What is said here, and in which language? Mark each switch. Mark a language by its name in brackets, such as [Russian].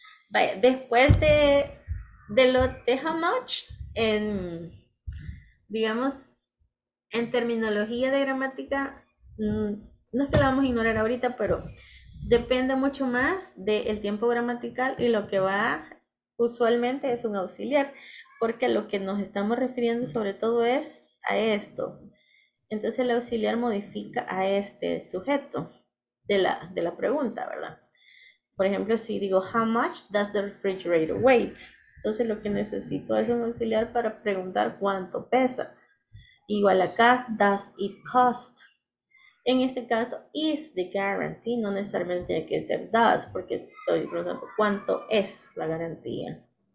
[Spanish] Vaya, después de [English] how much, [Spanish] en, digamos, en terminología de gramática, no es que la vamos a ignorar ahorita, pero depende mucho más del tiempo gramatical y lo que va usualmente es un auxiliar, porque lo que nos estamos refiriendo sobre todo es a esto. Entonces el auxiliar modifica a este sujeto de la pregunta, ¿verdad? Por ejemplo, si digo, [English] how much does the refrigerator weight? [Spanish] Entonces lo que necesito es un auxiliar para preguntar cuánto pesa. Igual acá, [English] does it cost? [Spanish] En este caso, [English] is the guarantee, [Spanish] no necesariamente tiene que ser does, porque estoy preguntando cuánto es la garantía.